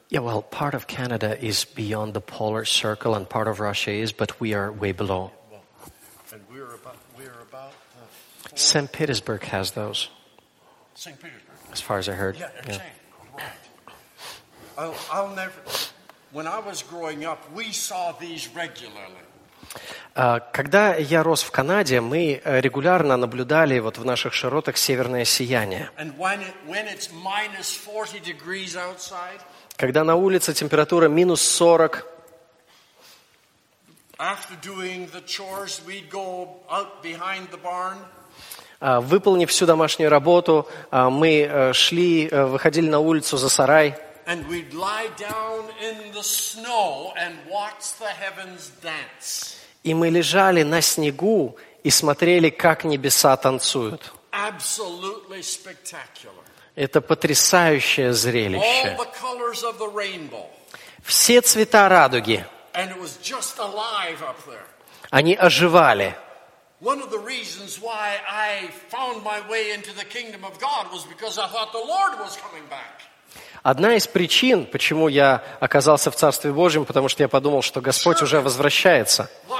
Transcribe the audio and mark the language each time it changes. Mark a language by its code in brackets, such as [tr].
[en] Yeah, well, part of Canada is beyond the polar circle, and part of Russia is, but we are way below. And we are about St. Petersburg has those. St. Petersburg. As far as I heard. Yeah, exactly. Right. I'll never. When I was growing up, we saw these regularly. [ru] Когда я рос в Канаде, мы регулярно наблюдали вот в наших широтах северное сияние. [en] And when it's minus 40 degrees outside, [ru] когда на улице температура минус 40, [en] after doing the chores, we'd go out behind the barn. [ru] Выполнив всю домашнюю работу, мы шли, выходили на улицу за сарай. [en] And we'd lie down in the snow and watch the heavens dance. [ru] И мы лежали на снегу и смотрели, как небеса танцуют. [en] Absolutely spectacular. [ru] Это потрясающее зрелище. [en] All the colors of the rainbow. [ru] Все цвета радуги. [en] And it was just alive up there. [ru] Они оживали. [en] One of the reasons why I found my way into the kingdom of God was because I thought the Lord was coming back. [ru] Одна из причин, почему я оказался в Царстве Божьем, потому что я подумал, что Господь уже возвращается.